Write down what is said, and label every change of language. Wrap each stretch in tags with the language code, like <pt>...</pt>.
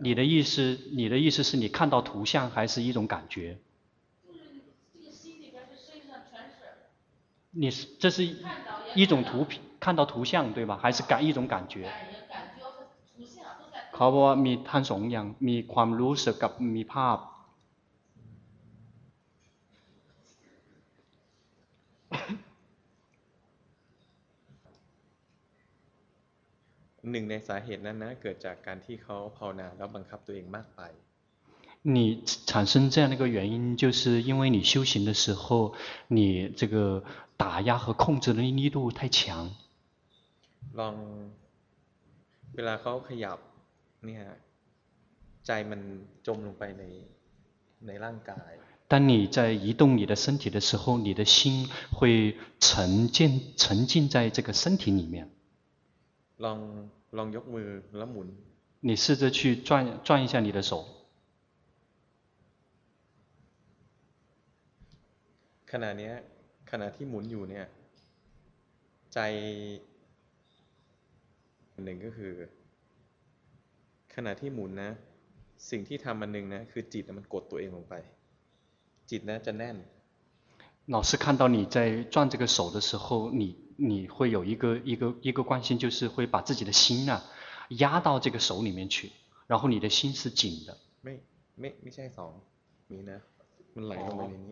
<zh>你的意思是你看到图像还是一种感觉你这是一种图看到图像对吧还是感一种感觉</zh> <th>เขาบอกว่ามีท่านสองอย่างมีความรู้สึกกับมีภาพ หนึ่งในสาเหตุนั้นนะเกิดจากการที่เขาภาวนาแล้วบังคับตัวเองมากไป</th> <zh>你产生这样的一个原因就是因为你修行的时候你这个打压和控制的力度太强</zh> <th>ลองเวลาเขาขยับเนี่ยใจมันจมลงไปในร่างกาย</th> <zh>当你在移动你的身体的时候你的心会沉浸在这个身体里面</zh> <th>ลองยกมือแล้วหมุน</th> <zh>你试着去转一下你的手</zh> <th>ขณะนี้ขณะที่หมุนอยู่เนี่ยใจหนึ่งก็คือขณะที่หมุนนะสิ่งที่ทำมันหนึ่งนะคือจิตมันกดตัวเองลงไปจิตนะจะแน่น</th> <zh>老师看到你在转这个手的时候你会有一个关心就是会把自己的心啊压到这个手里面去然后你的心是紧的</zh> <th>ไม่ใช่สองมีนะมันไหลลงไปในนี</th>